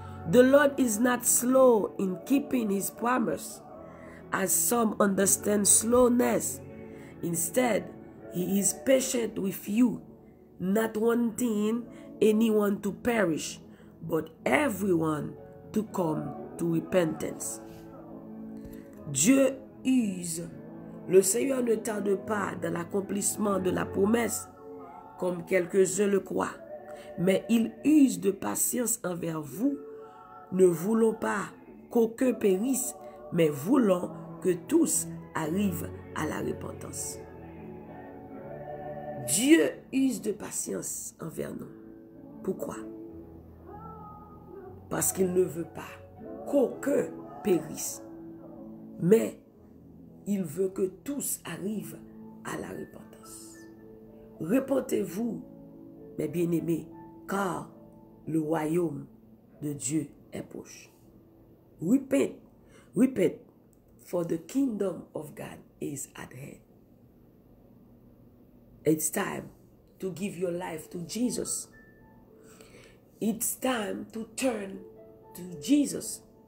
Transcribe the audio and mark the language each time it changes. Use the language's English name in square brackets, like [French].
[English] The Lord is not slow in keeping his promise, as some understand slowness. Instead, he is patient with you, not wanting anyone to perish, but everyone to come to repentance. [French] Dieu use. Le Seigneur ne tarde pas dans l'accomplissement de la promesse, comme quelques-uns le croient, mais il use de patience envers vous, ne voulant pas qu'aucun périsse, mais voulant que tous arrivent à la repentance. Dieu use de patience envers nous. Pourquoi? Parce qu'il ne veut pas qu'aucun périsse, mais Il veut que tous arrivent à la repentance. Repentez-vous, mes bien-aimés, car le royaume de Dieu est proche. [English] Repent, repent, for the kingdom of God is at hand. It's time to give your life to Jesus. It's time to turn to Jesus.